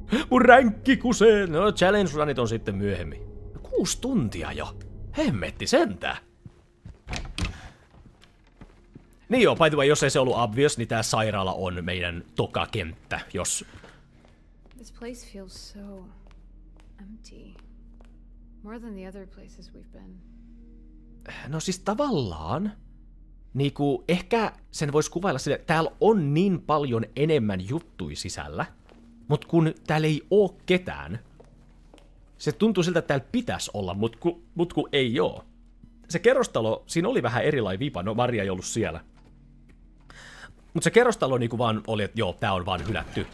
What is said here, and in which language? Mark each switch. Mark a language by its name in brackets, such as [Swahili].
[Finnish] Mun ränkki kusee! No, challenge runit on sitten myöhemmin. 6 tuntia jo. Hemmetti sentään. Niin joo, [English] by the way, [Finnish] jos ei se ollut obvious, niin tää sairaala on meidän tokakenttä, jos... [English] This place feels so empty. More than the other places we've been. [Finnish] No siis tavallaan, niinku ehkä sen voisi kuvailla sille, että täällä on niin paljon enemmän juttuja sisällä, mut kun täällä ei oo ketään, se tuntuu siltä, että täällä pitäisi olla, mut ku ei oo. Se kerrostalo, siinä oli vähän erilainen vipa, no Maria ei ollut siellä. Mut se kerrostalo niinku vaan oli, että joo, tää on vaan hylätty.